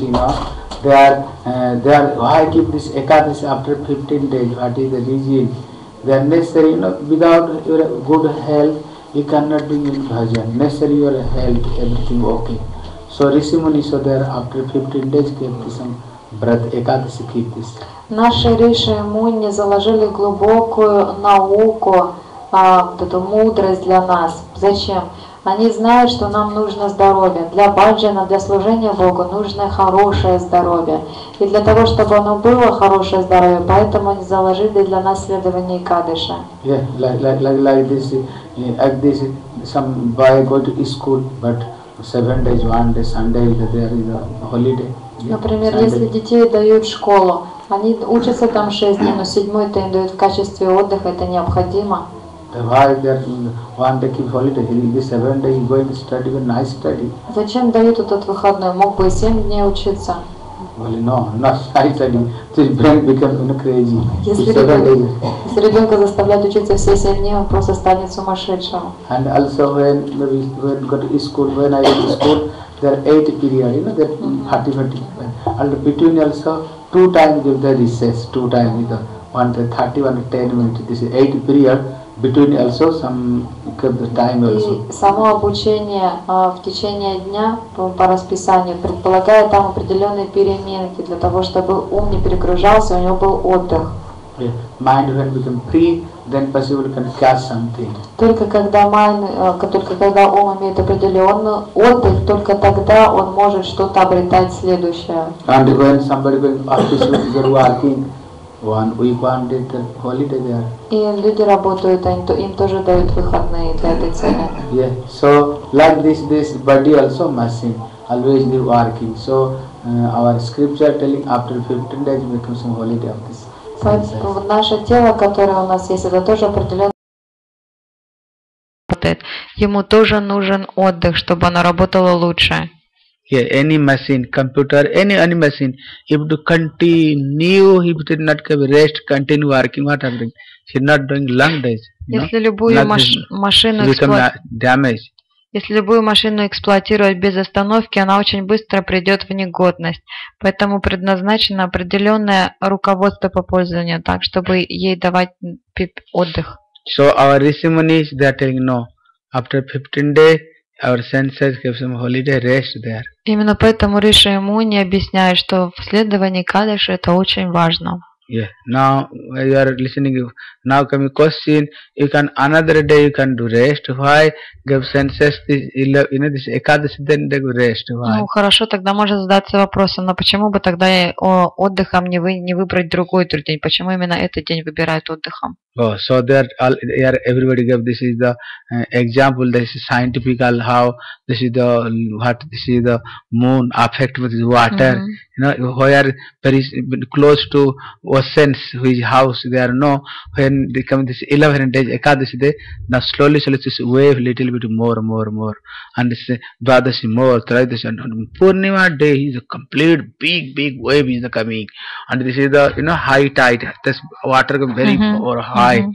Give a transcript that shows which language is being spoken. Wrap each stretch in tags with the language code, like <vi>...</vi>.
<en>You know, they are why keep this Ekadaši after 15 days? What is the reason? They are necessary. You know, without your good health. You cannot do any bhajan. Necessary your health, everything okay. So Rishi Muni, so there after 15 days kept some breath, Ekadashi keep this.</en> <ru>Наши Риши Муни заложили глубокую науку, эту мудрость для нас. Зачем? Они знают, что нам нужно здоровье. Для баджана, для служения Богу нужно хорошее здоровье. И для того, чтобы оно было хорошее здоровье, поэтому они заложили для нас следование Экадаши.</ru> <en>Yeah, like this, some boy go to school, but 7 days, one day, Sunday, there is a holiday. Yeah,</en> <ru>например,</ru> <en>Sunday.</en> <ru>Если детей дают в школу, они учатся там 6 дней, но 7-й это им дают в качестве отдыха, это необходимо.</ru> <en>Why they want to keep holiday? In the 7 days, go and study, a nice study.</en> <ru>Зачем дают этот выходной? Мог бы 7 дней учиться.</ru> <en>Well, no, not study. This brain becomes crazy.</en> <ru>Если ребенка заставляют учиться все 7 дней, он просто станет сумасшедшим.</ru> <en>And also when go to school, when I go to school, there are 8 period. You know, there are 40. And between also 2 times give the recess. 2 times, you know, 1:30, 1:10. This is 8 period. Between also some time also.</en> <ru>И само обучение в течение дня по расписанию предполагает там определенные переменки для того, чтобы ум не перегружался, у него был отдых.</ru> <en>Yeah. Mind when become free, then possible can catch something.</en> <ru>Только когда ум имеет определенный отдых, только тогда он может что-то обретать следующее.</ru> <en>And when somebody going office with their working. One week the holiday there.</en> <ru>И люди работают, им тоже дают выходные для этой цели.</ru> <en>Yeah, so like this body also machine, always the working. So our scripture telling after 15 days becomes some holiday of this.</en> <ru>Наше тело, которое у нас есть, это тоже определенное. Ему тоже нужен отдых, чтобы оно работало лучше.</ru> <en>Yeah, any machine, computer, any machine, if to continue, if it did not have rest, continue working, what happening? She not doing long days.</en> <ru>Если любую машину</ru> <en>damage.</en> <ru>Если любую машину эксплуатировать без остановки, она очень быстро придет в негодность. Поэтому предназначено определенное руководство по пользованию, так, чтобы ей давать отдых.</ru> <en>So our Rishi Munis, they are telling no. After 15 days, our senses give some holiday rest there.</en> <ru>Именно поэтому Риши Муни объясняет, что в следовании Кадаши это очень важно.</ru> <en>Yeah. Now you are listening. Now coming question. You can another day you can do rest. Why give senses this? You know this. Ekadashi then they go rest. Why?</en> <ru>Ну хорошо, тогда можно задаться вопросом, но почему бы тогда отдыхом не выбрать другой день? Почему именно этот день выбирают отдыхом?</ru> <en>Oh, so they are everybody give this is the example. This is scientifical how this is the what this is the moon affect with the water. Mm-hmm. You know who are very close to oceans, which house they are no. When they come this 11 days, Ekadashi day, now slowly this wave little bit more, and this Dvadashi more, Tridashi, and Purnima day is a complete big wave is coming, and this is the you know high tide, this water comes very or high.</en>